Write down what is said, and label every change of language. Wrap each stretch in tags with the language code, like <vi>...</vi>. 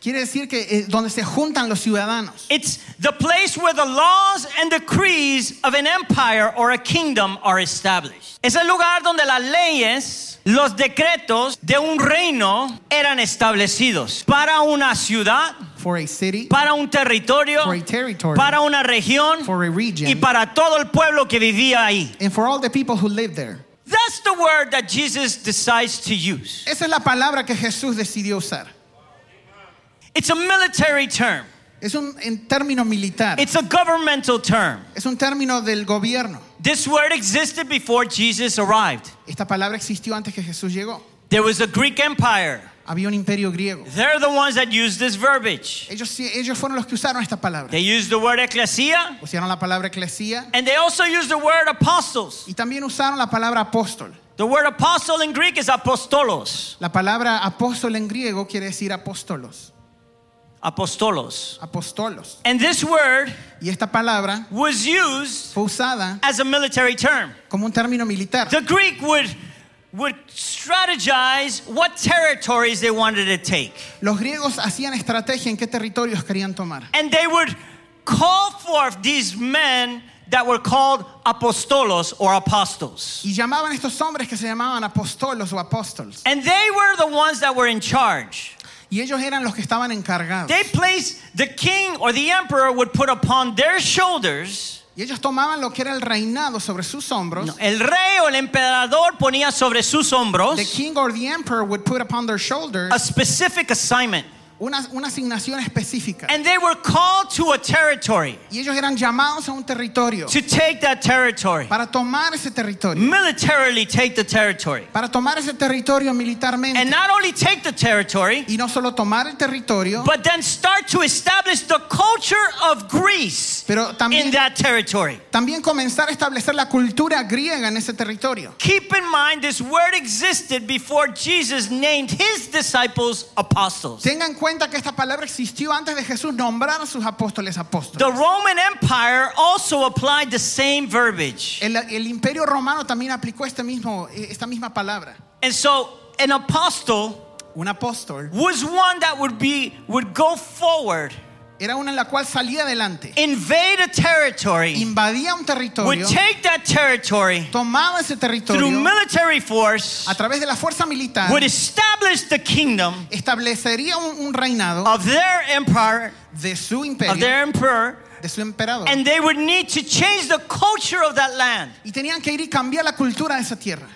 <es>Quiere decir que donde se juntan los ciudadanos.</es> <en>It's the place where the laws and decrees of an empire or a kingdom are established.</en> <es>Es el lugar donde las leyes, los decretos de un reino eran establecidos. Para una ciudad,</es> <en>for a city,</en> <es>para un territorio,</es> <en>for a territory,</en> <es>para una región,</es> <en>for a region,</en> <es>y para todo el pueblo que vivía ahí.</es> <en>And for all the people who lived there. That's the word that Jesus decides to use.</en> <es>Esa es la palabra que Jesús decidió usar.</es> <en>It's a military term.</en> <es>Es un término militar.</es> <en>It's a governmental term.</en> <es>Es un término del gobierno.</es> <en>This word existed before Jesus arrived.</en> <es>Esta palabra existió antes que Jesús llegó.</es> <en>There was a Greek empire.</en> <es>Había un imperio griego.</es> <en>They're the ones that used this verbiage.</en> <es>Ellos fueron los que usaron esta palabra.</es> <en>They used the word ecclesia.</en> <es>Usaron la palabra eclesia.</es> <en>And they also used the word apostles.</en> <es>Y también usaron la palabra apóstol.</es> <en>The word apostle in Greek is apostolos.</en> <es>La palabra apóstol en griego quiere decir apóstolos.</es> <en>Apostolos.</en> <es>Apostolos.</es> <en>And this word,</en> <es>y esta palabra,</es> <en>was used,</en> <es>fue usada,</es> <en>as a military term,</en> <es>como un término militar.</es> <en>The Greek would strategize what territories they wanted to take.</en> <es>Los griegos hacían estrategia en qué territorios querían tomar.</es> <en>And they would call forth these men that were called apostolos or apostles.</en> <es>Y llamaban estos hombres que se llamaban apostolos o apóstoles.</es> <en>And they were the ones that were in charge.</en> <es>Y ellos eran los que estaban encargados.</es> <en>They placed the king or the emperor would put upon their shoulders.</en> <es>Y ellos tomaban lo que era el reinado sobre sus hombros. No, el rey o el emperador ponía sobre sus hombros.</es> <en>The king or the emperor would put upon their shoulders. A specific assignment.</en> <es>Una asignación específica.</es> <en>And they were called to a territory.</en> <es>Y ellos eran llamados a un territorio.</es> <en>To take that territory.</en> <es>Para tomar ese territorio.</es> <en>Militarily take the territory.</en> <es>Para tomar ese territorio militarmente.</es> <en>And not only take the territory.</en> <es>Y no solo tomar el territorio.</es> <en>But then start to establish the culture of Greece.</en> <es>Pero también,</es> <en>in that territory.</en> <es>También comenzar a establecer la cultura griega en ese territorio.</es> <en>Keep in mind this word existed before Jesus named his disciples apostles.</en> <es>Tengan cuenta que esta palabra existió antes de Jesús nombrar a sus apóstoles apóstoles.</es> <en>The Roman Empire also applied the same verbiage.</en> <es>El Imperio Romano también aplicó esta misma palabra.</es> <en>And so an apostle,</en> <es>un apóstol,</es> <en>was one that would go forward.</en> <es>Era una en la cual salía adelante.</es> <en>Invade a territory.</en> <es>Invadía un territorio.</es> <en>Would take that territory.</en> <es>Tomaba ese territorio.</es> <en>Through military force.</en> <es>A través de la fuerza militar.</es> <en>Would establish the kingdom.</en> <es>Establecería un reinado.</es> <en>Of their empire.</en> <es>De su imperio.</es> <en>Of their emperor.</en> <es>De su emperador.</es> <en>And they would need to change the culture of that land.</en> <es>Y tenían que ir y cambiar la cultura de esa tierra.</es>